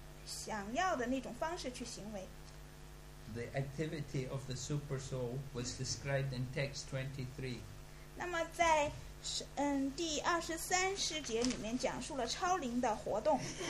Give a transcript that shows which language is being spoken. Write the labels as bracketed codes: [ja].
[zh] 他容许我们如我们想象的，如我们想要的那种方式去行为。 [en] The activity of the super soul was described in text 23. [zh] 那么在第23诗节里面讲述了超灵的活动。